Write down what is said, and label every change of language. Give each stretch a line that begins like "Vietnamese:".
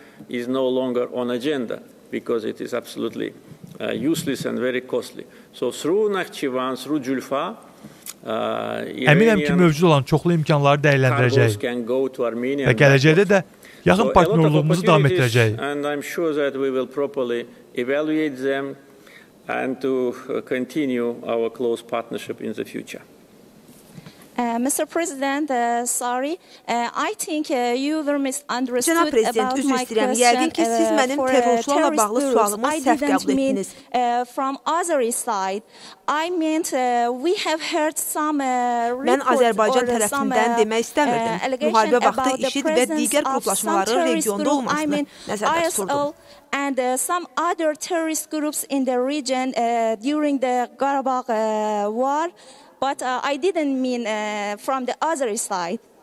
Azerbaijani: Əminəm ki, mövcud olan çoxlu imkanları dəyərləndirəcək və gələcəkdə də yaxın partnerluğumuzu davam etdirəcək.
English: And to continue our close partnership in the future. Mr. President, sorry. I think you were misunderstood about my question.
Azerbaijani: Cənab Prezident, üzr istəyirəm. Yəqin ki, siz mənim terrorçularla bağlı sualımı səhv qəbul etdiniz.
English: From other side, I meant we have heard some reports.
Azerbaijani: Mən Azərbaycan tərəfindən demək istəmirdim. Müharibə vaxtı IŞİD və digər qruplaşmaların regionda olmasını nəzərdə tuturdum.
English: And some other terrorist groups in the region during the Qarabağ war. But I didn't mean from the other side.